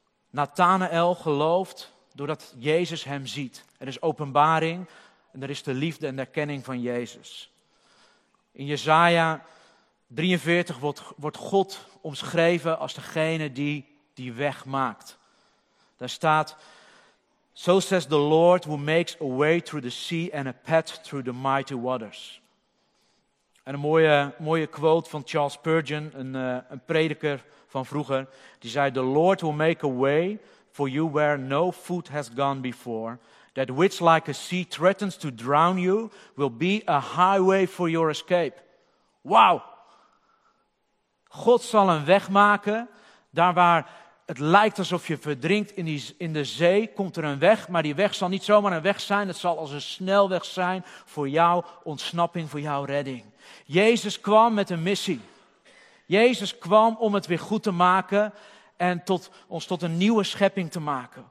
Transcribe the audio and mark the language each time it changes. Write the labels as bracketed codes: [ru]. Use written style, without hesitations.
[nl] Nathanael gelooft doordat Jezus hem ziet. Er is openbaring. En er is de liefde en de erkenning van Jezus. In Jesaja 43 wordt God omschreven als degene die weg maakt. Daar staat... [en] So says the Lord who makes a way through the sea and a path through the mighty waters. [nl] En een mooie quote van Charles Spurgeon, een prediker van vroeger. Die zei, [en] the Lord will make a way for you where no foot has gone before. That which like a sea threatens to drown you will be a highway for your escape. Wow! [nl] God zal een weg maken daar waar... Het lijkt alsof je verdrinkt in de zee, komt er een weg, maar die weg zal niet zomaar een weg zijn. Het zal als een snelweg zijn voor jouw ontsnapping, voor jouw redding. Jezus kwam met een missie. Jezus kwam om het weer goed te maken en ons tot een nieuwe schepping te maken.